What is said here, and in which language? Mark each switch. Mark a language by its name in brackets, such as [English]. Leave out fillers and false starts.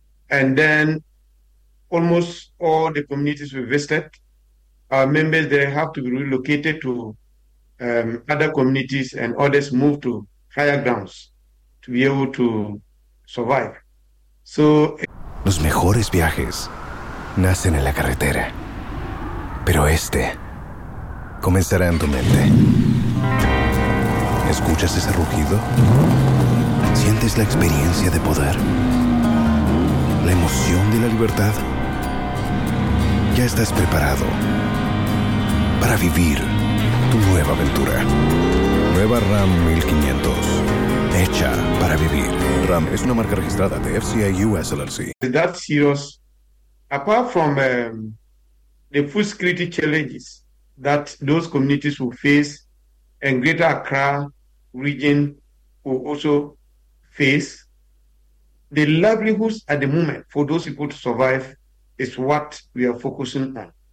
[English] And then almost all the communities we visited, our members, they have to be relocated to other communities, and others move to higher grounds to be able to survive. So, [Spanish] los mejores viajes nacen en la carretera, pero este comenzará en tu mente. ¿Escuchas ese rugido? ¿Sientes la experiencia de poder? ¿La emoción de la libertad? ¿Ya estás preparado para vivir tu nueva aventura? Nueva Ram 1500. Hecha para vivir. Ram es una marca registrada de FCA US LLC. [English] That serious, apart from the food security challenges that those communities will face, and Greater Accra region will also face, the livelihoods at the moment for those people to survive is what we are focusing on.